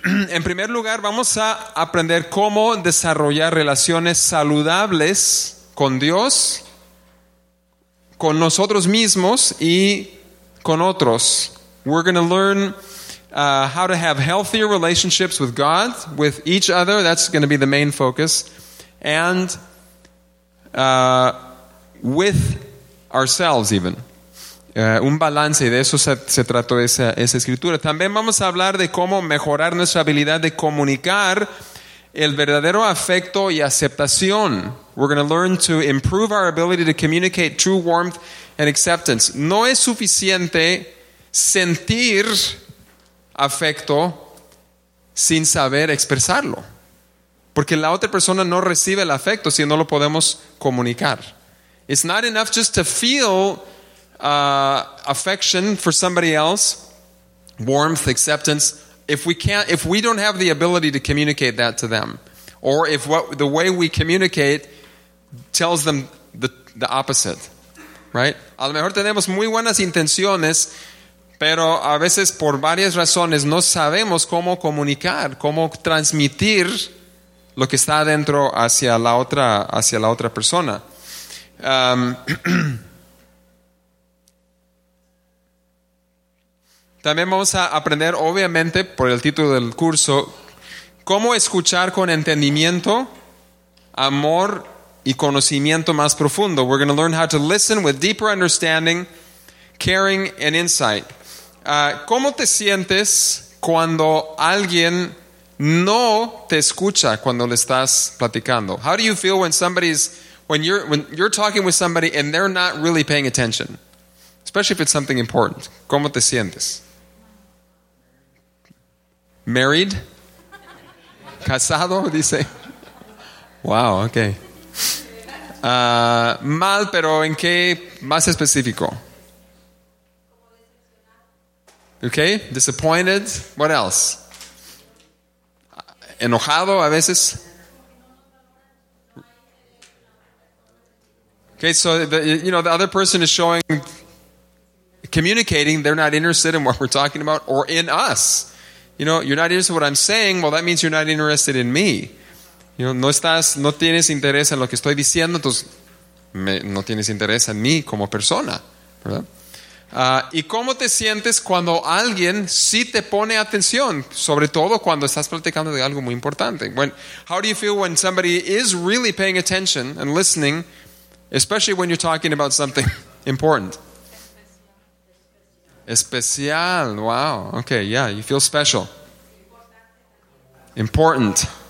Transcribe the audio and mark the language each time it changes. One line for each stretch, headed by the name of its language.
Spanish: En primer lugar, vamos a aprender cómo desarrollar relaciones saludables con Dios, con nosotros mismos y con otros.
English: We're going to learn how to have healthier relationships with God, with each other. That's going to be the main focus. And with ourselves even.
Spanish: Un balance, y de eso se trató esa escritura. También vamos a hablar de cómo mejorar nuestra habilidad de comunicar el verdadero afecto y aceptación.
English: We're going to learn to improve our ability to communicate true warmth and acceptance.
Spanish: No es suficiente sentir afecto sin saber expresarlo. Porque la otra persona no recibe el afecto si no lo podemos comunicar.
English: It's not enough just to feel affection for somebody else, warmth, acceptance, if we don't have the ability to communicate that to them, or if the way we communicate tells them the opposite, right?
Spanish: A lo mejor tenemos muy buenas intenciones, pero a veces por varias razones no sabemos cómo comunicar, cómo transmitir lo que está adentro hacia la otra persona. También vamos a aprender, obviamente, por el título del curso, cómo escuchar con entendimiento, amor y conocimiento más profundo.
English: We're going to learn how to listen with deeper understanding, caring, and insight.
Spanish: ¿Cómo te sientes cuando alguien no te escucha cuando le estás platicando?
English: How do you feel when you're talking with somebody and they're not really paying attention? Especially if it's something important.
Spanish: ¿Cómo te sientes?
English: Married?
Spanish: Casado, dice.
English: Wow, okay.
Spanish: Mal, pero ¿en qué más específico?
English: Okay, disappointed. What else?
Spanish: Enojado a veces.
English: Okay, so the other person is communicating, they're not interested in what we're talking about or in us. You know, you're not interested in what I'm saying, well, that means you're not interested in me. You know,
Spanish: no tienes interés en lo que estoy diciendo, entonces no tienes interés en mí como persona, ¿verdad? ¿Y cómo te sientes cuando alguien sí te pone atención, sobre todo cuando estás platicando de algo muy importante?
English: How do you feel when somebody is really paying attention and listening, especially when you're talking about something important? Especial, wow, okay, yeah, you feel special. Important.